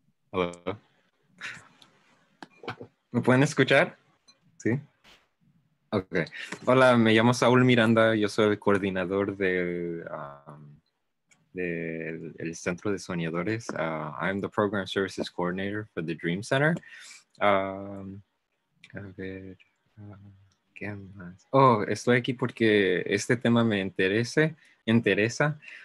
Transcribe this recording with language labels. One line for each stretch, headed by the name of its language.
Spanish: Hola. ¿Me pueden escuchar? Sí. Ok. Hola, me llamo Saúl Miranda. Yo soy el coordinador del Centro de Soñadores.
English: I'm the Program Services Coordinator for the Dream Center.
Spanish: ¿Qué más? Oh, estoy aquí porque este tema me interesa.